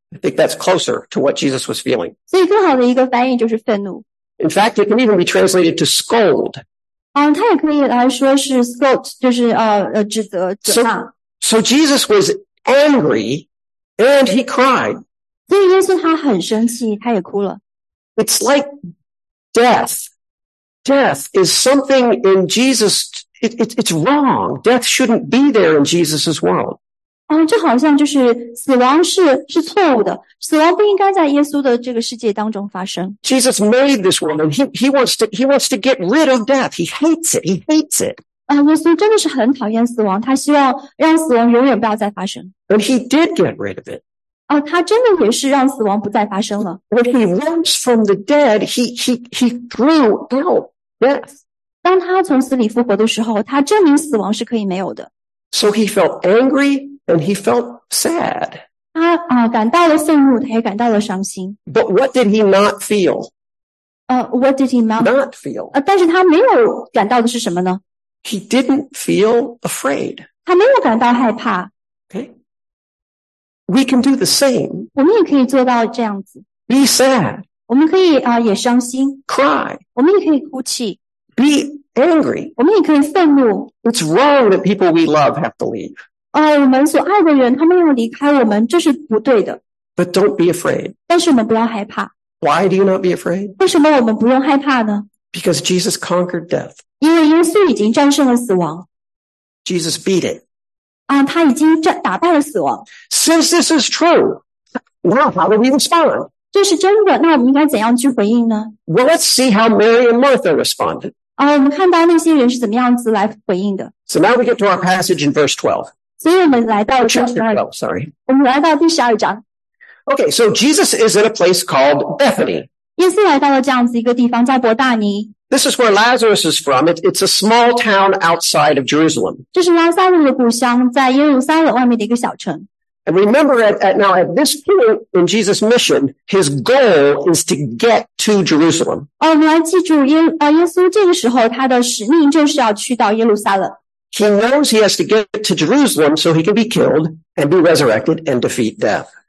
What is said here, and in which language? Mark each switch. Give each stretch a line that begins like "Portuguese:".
English: I think that's closer to what Jesus was feeling.
Chinese: 所以更好的一个翻译就是愤怒。
English: In fact, it can even be translated to scold.
Chinese: 它也可以来说是 scold, 就是指责、责骂。
English: So Jesus was angry and he cried.
Chinese: 所以耶稣他很生气，他也哭了。
English: It's like death. Death is something in Jesus, it's wrong. Death shouldn't be there in Jesus' world.
Chinese: 这好像就是死亡是错误的。死亡不应该在耶稣的这个世界当中发生。
English: Jesus made this world and he wants to get rid of death. He hates it.
Chinese: 耶稣真的是很讨厌死亡，他希望让死亡永远不要再发生。
English: And he did get rid of it.
Chinese: 他真的也是让死亡不再发生了。
English: When he rose from the dead, he threw out death.
Chinese: 当他从死里复活的时候，他证明死亡是可以没有的。
English: So he felt angry and he felt sad.
Chinese: 他感到了愤怒，他也感到了伤心。
English: But what did he not feel? What did he not feel?
Chinese: 但是他没有感到的是什么呢？
English: He didn't feel afraid.
Chinese: 他没有感到害怕。
English: Okay. We can do the same.
Chinese: 我们也可以做到这样子。
English: Be sad.
Chinese: 我们可以也伤心。
English: Cry.
Chinese: 我们也可以哭泣。
English: Be angry.
Chinese: 我们也可以愤怒。
English: It's wrong that people we love have to leave.
Chinese: 我们所爱的人他们要离开我们，这是不对的。
English: But don't be afraid.
Chinese: 但是我们不要害怕。
English: Why do you not be afraid?
Chinese: 为什么我们不用害怕呢？
English: Because Jesus conquered death.
Chinese: 因为耶稣已经战胜了死亡。
English: Jesus beat it.
Chinese: 他已经打败了死亡。
English: Since this is true, now how do we respond?
Chinese: 这是真的，那我们应该怎样去回应呢？
English: Well, let's see how Mary and Martha responded.
Chinese: 我们看到那些人是怎么样子来回应的。
English: So now we get to our passage in verse 12.
Chinese: 所以我们来到第十二章。
English: Okay, so Jesus is at a place called Bethany.
Chinese: 耶稣来到了这样子一个地方，叫伯大尼。
English: This is where Lazarus is from. It's a small town outside of Jerusalem.
Chinese: 这是拉撒路的故乡，在耶路撒冷外面的一个小城。
English: And remember, at this point in Jesus' mission, his goal is to get to Jerusalem.
Chinese: 我们来记住耶稣这个时候他的使命就是要去到耶路撒冷。
English: He knows he has to get to Jerusalem so he can be killed and be resurrected and defeat death.